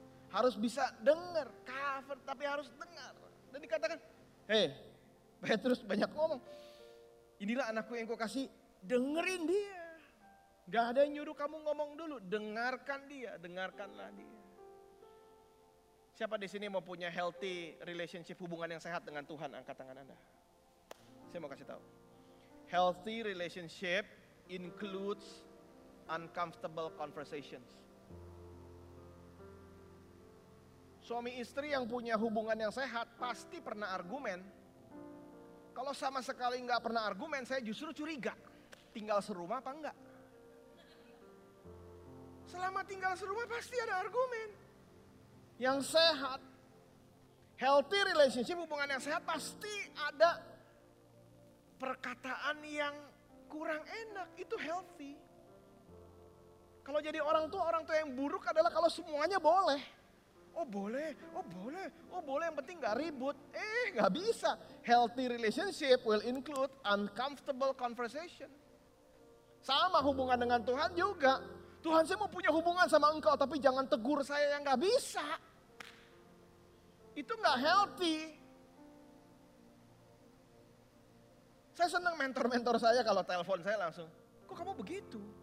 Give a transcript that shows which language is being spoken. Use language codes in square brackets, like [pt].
[id] Harus bisa dengar, cover, tapi harus dengar. Dan dikatakan, hey, Petrus banyak ngomong. Inilah anakku yang kukasih, dengerin dia. Gak ada yang nyuruh kamu ngomong dulu, dengarkan dia, dengarkanlah dia. Siapa di sini mau punya [en] healthy relationship, [id] hubungan yang sehat dengan Tuhan? Angkat tangan Anda. Saya mau kasih tahu. [en] Healthy relationship includes uncomfortable conversations. [id] Suami istri yang punya hubungan yang sehat pasti pernah argumen. Kalau sama sekali gak pernah argumen, saya justru curiga. Tinggal serumah apa enggak? Selama tinggal serumah pasti ada argumen. Yang sehat, [en] healthy relationship, [id] hubungan yang sehat, pasti ada perkataan yang kurang enak. Itu healthy. Kalau jadi orang tua yang buruk adalah kalau semuanya boleh. Oh boleh, oh boleh, oh boleh, yang penting gak ribut. Gak bisa. [en] Healthy relationship will include uncomfortable conversation. [id] Sama hubungan dengan Tuhan juga. Tuhan, saya mau punya hubungan sama engkau, tapi jangan tegur saya yang gak bisa. Itu gak healthy. Saya senang mentor-mentor saya kalau telepon saya langsung, kok kamu begitu?